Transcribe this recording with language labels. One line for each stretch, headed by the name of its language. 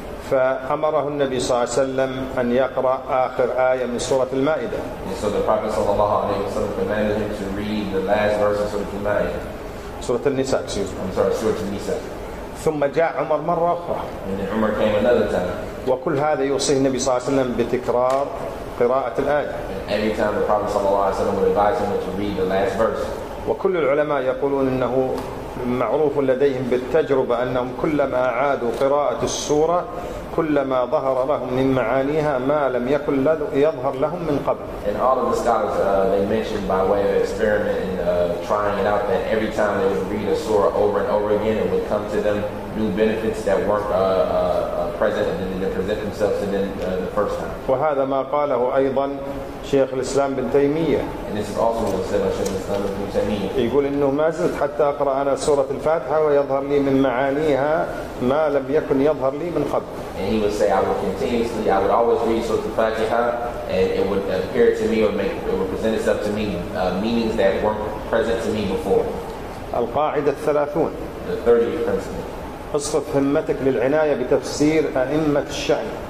Arabic: فأمره النبي صلى الله عليه وسلم أن يقرأ آخر آية من سورة المائدة.
English: And so the Prophet
Arabic: صلى الله عليه وسلم
English: commanded him to read the last verse of Surah Al-Ma'idah.
Arabic: سورة النساء.
English: Surah Al-Nisa.
Arabic: ثم جاء عمر مرة أخرى.
English: And then Umar came another time.
Arabic: وكل هذا يوصيه النبي صلى الله عليه وسلم بتكرار قراءة الآية.
English: Every time the Prophet
Arabic: صلى الله عليه وسلم
English: would advise him to read the last verse.
Arabic: وكل العلماء يقولون أنه معروف لديهم بالتجربة أنهم كلما عادوا قراءة السورة كلما ظهر لهم من معانيها ما لم يكن يظهر لهم من قبل.
English: And all of the scholars they mentioned by way of experiment and trying it out that every time they would read a surah over and over again it would come to them new benefits that weren't present and then they present themselves to them the first time.
Arabic: وهذا ما قاله أيضا شيخ الإسلام بن تيمية.
English: And this is also what said Shaykh Islam ibn Taymiyyah.
Arabic: يقول إنه ما زلت حتى أقرأ أنا سورة الفاتحة ويظهر لي من معانيها ما لم يكن يظهر لي من قبل.
English: And he would say, I would always read Surah Al-Fatiha, and it would appear to me, it would present itself to me, meanings that weren't present to me before.
Arabic: القاعدة الثلاثون.
English: The 30th principle.
Arabic: اصرف همتك للعناية بتفسير أئمة الشأن.